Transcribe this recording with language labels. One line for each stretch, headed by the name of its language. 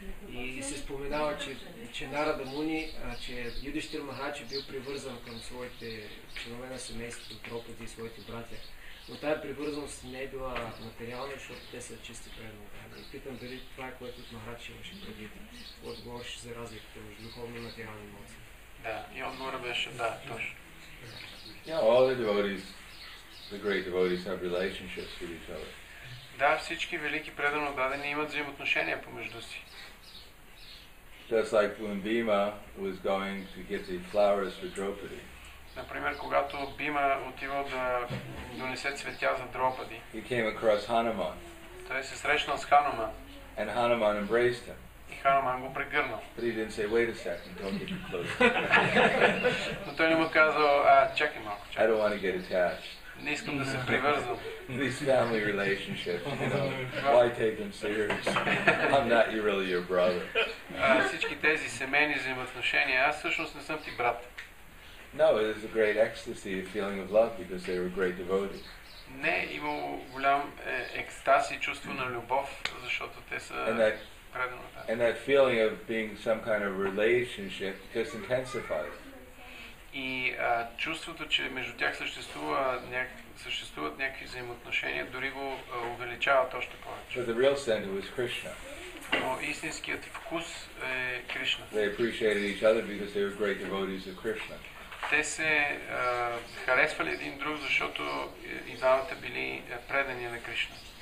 Bulgarian: И се споменава, че Нарада Муни, че Юдиштир Махач е бил привързан към своите членове на семейството, Дропади и своите братя. Но тази привързаност не е била материална, защото те са чисти преданост. И питам дали това е което Махач имаше предвид. Отговориш за разликата между духовно и материални емоции. Да, и отговора беше да, точно.
English: All the devotees, the great devotees have relationships with each other.
Bulgarian: Да, всички велики предано дадени имат взаимоотношения помежду си.
English: Just like when Bhima was going to get the flowers for Draupadi.
Bulgarian: Например, когато Бима отивал да донесе цветя за Дропади.
English: He came across Hanuman.
Bulgarian: Той се срещнал с Хануман.
English: And Hanuman embraced him.
Bulgarian: И Хануман го прегърнал.
English: But he didn't say, wait a second, don't get close.
Bulgarian: Но той не му казал, чакай малко, чакай.
English: I don't want to get attached.
Bulgarian: Не искам да се привързвам.
English: These family relationships, you know, why take them serious? I'm not really your brother.
Bulgarian: Всички тези семейни взаимоотношения, аз всъщност не съм ти брат.
English: No, it is a great ecstasy, a feeling of love, because they were great devotees.
Bulgarian: Не, имало голям екстаз и чувство на любов, защото те са...
English: And that And that feeling of being some kind of relationship just intensifies.
Bulgarian: И чувството, че между тях съществуват някакви взаимоотношения, дори го увеличават още повече.
English: So the real center was Krishna.
Bulgarian: Но истинският вкус е Кришна.
English: They appreciated each other because they were great devotees of Krishna.
Bulgarian: Те се харесвали един друг, защото и двамата били предани на Кришна.